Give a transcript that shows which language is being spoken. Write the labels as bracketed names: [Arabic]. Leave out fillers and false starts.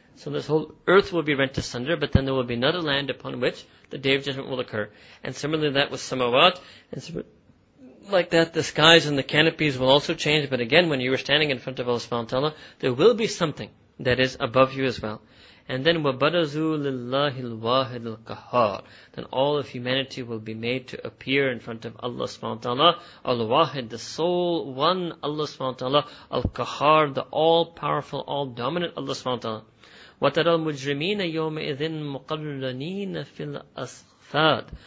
[English] So this whole earth will be rent asunder, but then there will be another land upon which the day of judgment will occur. And similarly that with samawat, and like that the skies and the canopies will also change. But again, when you are standing in front of Allah subhanahu wa ta'ala, there will be something that is above you as well. And then [Arabic] وَبَرَزُوا لِلَّهِ الْوَاحِدِ الْقَهَارِ. [English] Then all of humanity will be made to appear in front of Allah subhanahu wa ta'ala. Al-Wahid, the sole one Allah subhanahu wa ta'ala. Al-Qahar, the all-powerful, all-dominant Allah subhanahu wa ta'ala. [Arabic] وَتَرَى الْمُجْرِمِينَ يَوْمَئِذٍ مُقَرَّنِينَ فِي الْأَصْفَادِ.